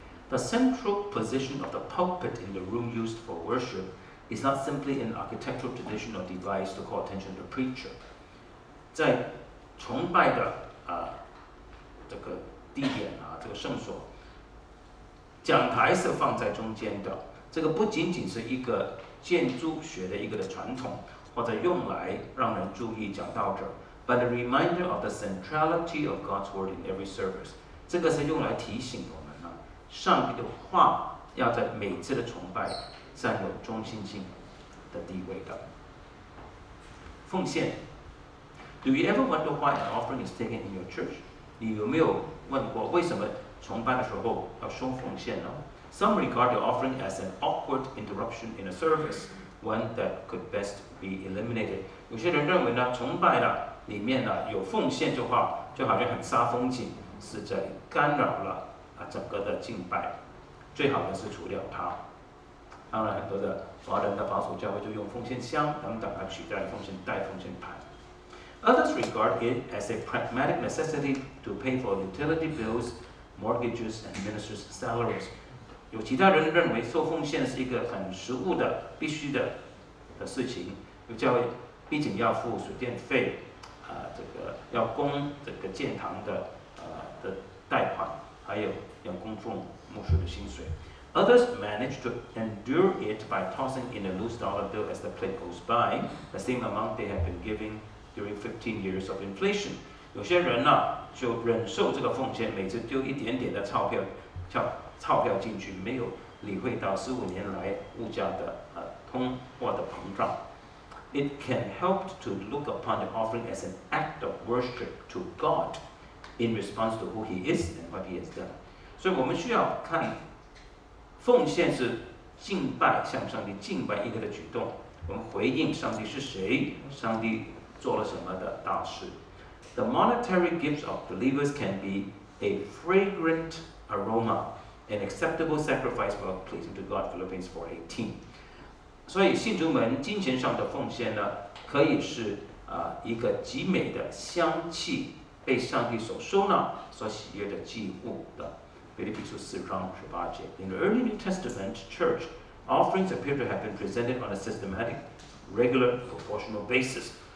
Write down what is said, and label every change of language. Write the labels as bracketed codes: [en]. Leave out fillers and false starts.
[en] The central position of the pulpit in the room used for worship is not simply an architectural tradition or device to call attention to preacher. [zh] 在崇拜的这个地点这个圣所，讲台是放在中间的，这个不仅仅是一个建筑学的一个的传统，或者用来让人注意讲道者 ， [en] but a reminder of the centrality of God's word in every service。 [zh] 这个是用来提醒我们呢，上帝的话要在每次的崇拜占有中心性的地位的。 [en] 奉献 ，Do you ever wonder why an offering is taken in your church？ [zh] 你有没有问过为什么崇拜的时候要收奉献呢 [en] ？Some regard the offering as an awkward interruption in a service。 One that could best be eliminated. [zh] 有些人认为呢，崇拜呢里面呢有奉献的话，就好像很煞风景，是在干扰了啊整个的敬拜，最好呢是除掉它。当然，很多的华人的保守教会就用奉献箱等等来取代奉献袋、奉献盘。 [en] Others regard it as a pragmatic necessity to pay for utility bills, mortgages, and ministers' salaries. [zh] 有其他人认为受奉献是一个很实务的必须的事情，有教会毕竟要付水电费啊、这个要供这个建堂的贷款，还有要供奉牧师的薪水。 [en] Others manage to endure it by tossing in a loose dollar bill as the plate goes by, the same amount they have been giving during 15 years of inflation. [zh] 有些人呢就忍受这个奉献，每次丢一点点的钞票进去，没有理会到15年来物价的通货的膨胀。 [en] It can help to look upon the offering as an act of worship to God in response to who He is and what He has done. [zh] 所以我们需要看奉献是敬拜，向上帝敬拜一个的举动，我们回应上帝是谁，上帝做了什么的大事。 [en] The monetary gifts of believers can be a fragrant aroma. An acceptable sacrifice for pleasing to God, Philippians 4:18. [zh] 所以信徒们金钱上的奉献呢，可以是一个极美的香气，被上帝所收纳、所喜悦的祭物的。腓立比书4:18. [en] In the early New Testament church, offerings appear to have been presented on a systematic, regular, proportional basis.